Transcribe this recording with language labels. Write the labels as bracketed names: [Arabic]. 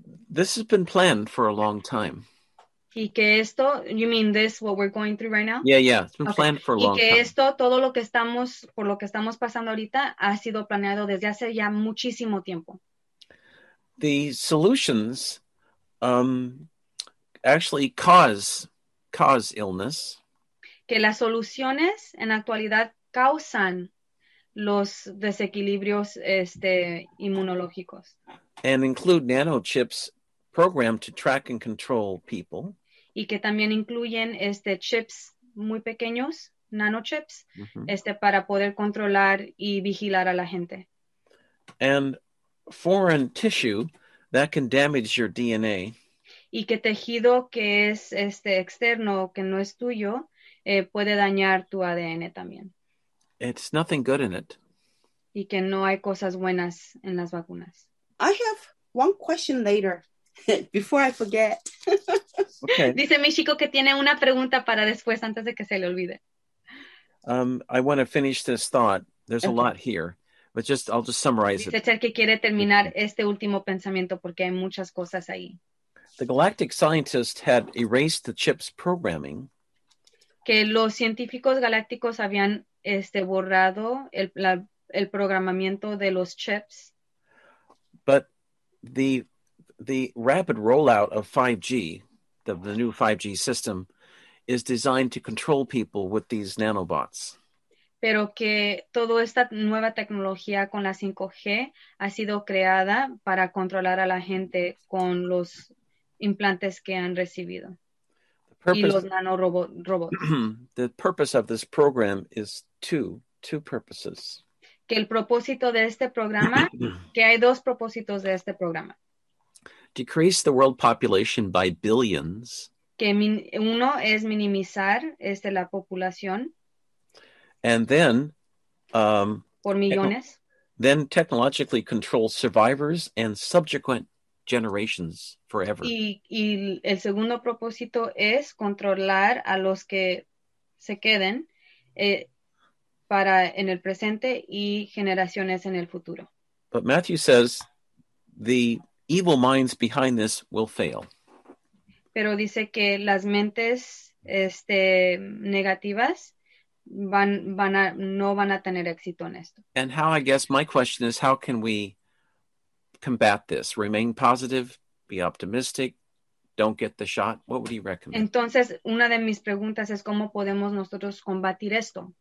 [English] This has been planned for a long time. [Spanish] Y que esto, [English] you mean this, what we're going through right now? Yeah, it's been planned for a long time. [Spanish] Y que esto, todo lo que estamos, por lo que estamos pasando ahorita, ha sido planeado desde hace ya muchísimo tiempo. [English] The solutions actually cause illness. [Spanish] Que las soluciones en actualidad causan los desequilibrios inmunológicos. [English] And include nanochips programmed to track and control people. [Spanish] Y que también incluyen chips muy pequeños, nanochips, para poder controlar y vigilar a la gente. [English] And foreign tissue that can damage your DNA. [Spanish] Y que tejido que es externo, que no es tuyo, puede dañar tu ADN también. [English] It's nothing good in it. [Spanish] Y que no hay cosas buenas en las vacunas. [English] I have one question later, before I forget. Okay. [Spanish] Dice mi chico que tiene una pregunta para después, antes de que se le olvide. [English] I want to finish this thought. There's a lot here. But I'll just summarize [Spanish] dice [English] it. [Spanish] Dice que quiere terminar este último pensamiento porque hay muchas cosas ahí. [English] The galactic scientists had erased the chip's programming. [Spanish] Que los científicos galácticos habían borrado el programamiento de los chips. [English] But the rapid rollout of 5G, the new 5G system, is designed to control people with these nanobots. [Spanish] Pero que toda esta nueva tecnología con la 5G ha sido creada para controlar a la gente con los implantes que han recibido. Y los nanorobots. [English] The purpose of this program is two purposes. [Spanish] Que el propósito de este programa, que hay dos propósitos de este programa. [English] Decrease the world population by billions. [Spanish] Que uno es minimizar la población. [English] And then [Spanish] por millones. [English] Then technologically control survivors and subsequent generations forever. [Spanish] Y el segundo propósito es controlar a los que se queden para en el presente y generaciones en el futuro. [English] But Matthew says the evil minds behind this will fail. [Spanish] Pero dice que las mentes negativas no van a tener éxito en esto. [English] And how, I guess my question is, how can we combat this? Remain positive, be optimistic, don't get the shot. What would you recommend? [Spanish] Entonces, una de mis preguntas es cómo podemos nosotros combatir esto.